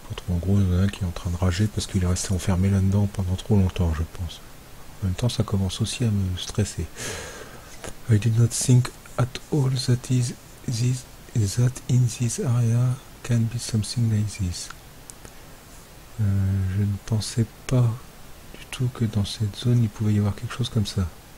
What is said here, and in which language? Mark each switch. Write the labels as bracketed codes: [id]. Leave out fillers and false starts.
[fr] En gros, il y en a un qui est en train de rager parce qu'il est resté enfermé là-dedans pendant trop longtemps, je pense. En même temps, ça commence aussi à me stresser. [en] I did not think at all that that in this area can be something like this. [fr] Je ne pensais pas du tout que dans cette zone il pouvait y avoir quelque chose comme ça.